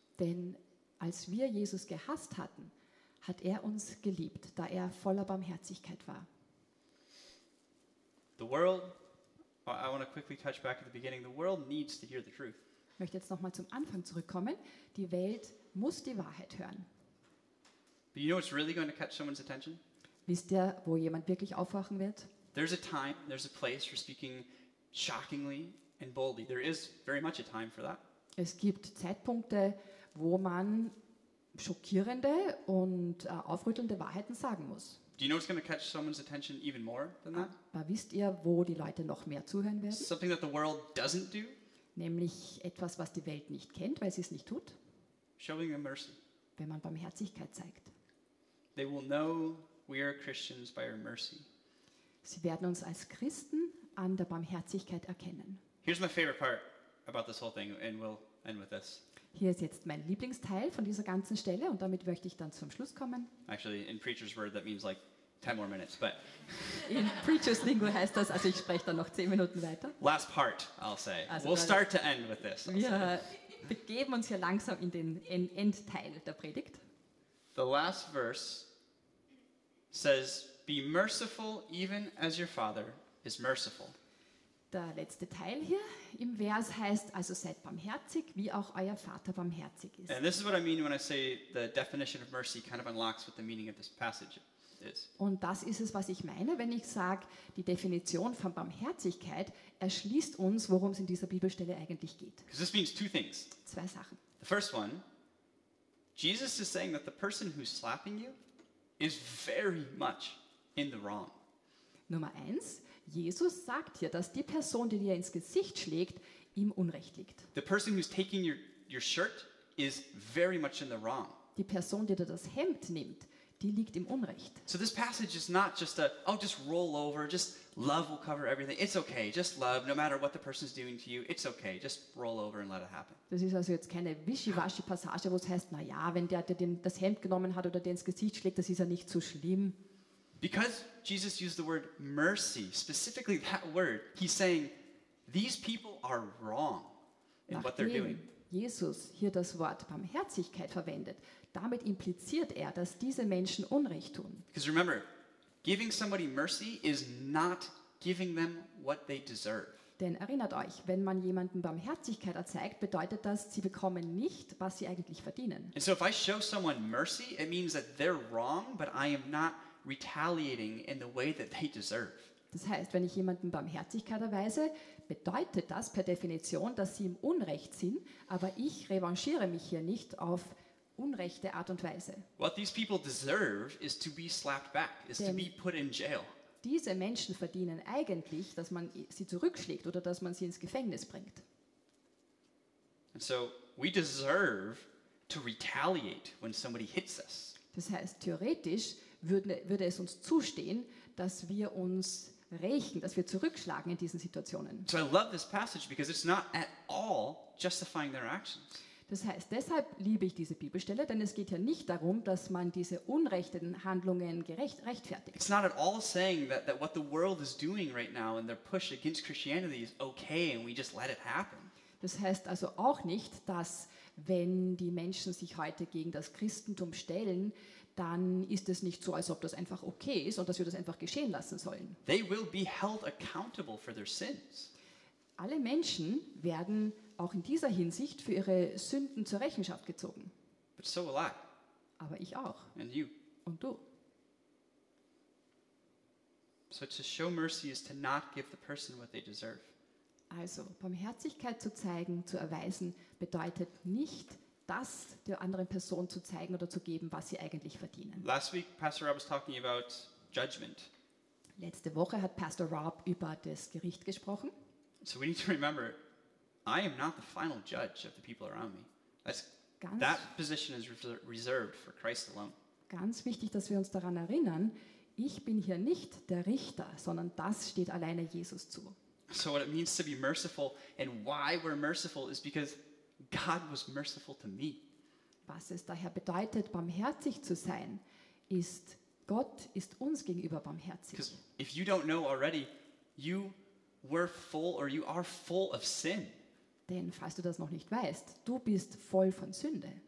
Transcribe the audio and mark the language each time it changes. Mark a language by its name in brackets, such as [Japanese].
[German] Denn als wir Jesus gehasst hatten, hat uns geliebt, da voller Barmherzigkeit war. [English] The world, I want to quickly touch back at the beginning, the world needs to hear the truth. [German] Ich möchte jetzt nochmal zum Anfang zurückkommen. Die Welt muss die Wahrheit hören. [English] But you know what's really going to catch someone's attention? [German] Wisst ihr, wo jemand wirklich aufwachen wird? [English] There's a time, there's a place for speaking shockingly and boldly. There is very much a time for that. [German] Es gibt Zeitpunkte, wo man schockierende und aufrüttelnde Wahrheiten sagen muss. [English] Do you know what's going to catch someone's attention even more than that? [German] Aber wisst ihr, wo die Leute noch mehr zuhören werden? [English] Something that the world doesn't do. [German] Nämlich etwas, was die Welt nicht kennt, weil sie es nicht tut. [English] Showing them mercy. [German] Wenn man Barmherzigkeit zeigt. [English] They will know we are Christians by our mercy. [German] Sie werden uns als Christen an der Barmherzigkeit erkennen. [English] Here's my favorite part about this whole thing, and we'll end with this. [German] Hier ist jetzt mein Lieblingsteil von dieser ganzen Stelle und damit möchte ich dann zum Schluss kommen. [English] Actually, in preacher's word, that means like 10 more minutes, but... In preacher's lingo [German] heißt das, also ich spreche dann noch 10 Minuten weiter. [English] Last part, I'll say. Also we'll start to end with this. [German] Wir begeben uns hier langsam in den Endteil der Predigt. [English] The last verse says, be merciful even as your father is merciful. [German] Der letzte Teil hier im Vers heißt, also seid barmherzig, wie auch euer Vater barmherzig ist. [English] And this is what I mean when I say the definition of mercy kind of unlocks what the meaning of this passage is. [German] Und das ist es, was ich meine, wenn ich sage, die Definition von Barmherzigkeit erschließt uns, worum es in dieser Bibelstelle eigentlich geht. [English] Because this means two things. [German] Zwei Sachen. [English] The first one, Jesus is saying that the person who's slapping you is very much in the wrong. [German] Nummer eins, Jesus sagt hier, dass die Person, die dir ins Gesicht schlägt, im Unrecht liegt. [English] The person who's taking your shirt is very much in the wrong. [German] Die Person, die dir das Hemd nimmt, die liegt im Unrecht. [English] So this passage is not just a, oh, just roll over, just love will cover everything. It's okay, just love, no matter what the person's doing to you, it's okay, just roll over and let it happen. [German] Das ist also jetzt keine Wischiwaschi-Passage, wo es heißt, na ja, wenn der dir das Hemd genommen hat oder dir ins Gesicht schlägt, das ist ja nicht so schlimm. [English] Because Jesus used the word mercy, specifically that word, he's saying, these people are wrong in what they're doing. [German] Jesus hier das Wort Barmherzigkeit verwendet, damit impliziert er, dass diese Menschen Unrecht tun. [English] Because remember, giving somebody mercy is not giving them what they deserve. [German] Denn erinnert euch, wenn man jemandem Barmherzigkeit erzeigt, bedeutet das, sie bekommen nicht, was sie eigentlich verdienen. [English] And so if I show someone mercy, it means that they're wrong, but I am not retaliating in the way that they deserve. [German] Das heißt, wenn ich jemandem Barmherzigkeit erweise, bedeutet das per Definition, dass sie im Unrecht sind, aber ich revanchiere mich hier nicht auf unrechte Art und Weise. [English] What these people deserve is to be slapped back, is to be put in jail. [German] Diese Menschen verdienen eigentlich, dass man sie zurückschlägt oder dass man sie ins Gefängnis bringt. [English] And so we deserve to retaliate when somebody hits us. [German] Das heißt, theoretisch würde es uns zustehen, dass wir uns rächen, dass wir zurückschlagen in diesen Situationen. [English] So I love this passage because it's not at all justifying their actions. [German] Das heißt, deshalb liebe ich diese Bibelstelle, denn es geht ja nicht darum, dass man diese unrechten Handlungen rechtfertigt. [English] It's not at all saying that what the world is doing right now and their push against Christianity is okay and we just let it happen. [German] Das heißt also auch nicht, dass wenn die Menschen sich heute gegen das Christentum stellen, dann ist es nicht so, als ob das einfach okay ist und dass wir das einfach geschehen lassen sollen. [English] They will be held accountable for their sins. [German] Alle Menschen werden auch in dieser Hinsicht für ihre Sünden zur Rechenschaft gezogen. [English] But so will I. [German] Aber ich auch. [English] And you. [German] Und du. [English] So to show mercy is to not give the person what they deserve. [German] Also, Barmherzigkeit zu zeigen, zu erweisen, bedeutet nicht, das der anderen Person zu zeigen oder zu geben, was sie eigentlich verdienen. [English] Last week, Pastor Rob was talking about judgment. [German] Letzte Woche hat Pastor Rob über das Gericht gesprochen. [English] So we need to remember, I am not the final judge of the people around me. That position is reserved for Christ alone. [German] Ganz wichtig, dass wir uns daran erinnern, ich bin hier nicht der Richter, sondern das steht alleine Jesus zu. [English] So what it means to be merciful and why we're merciful is because God was merciful to me. [German] Was es daher bedeutet, barmherzig zu sein, ist, Gott ist uns gegenüber barmherzig. [English] Because if you don't know already, you were full or you are full of sin. [German] Denn falls du das noch nicht weißt, du bist voll von Sünde.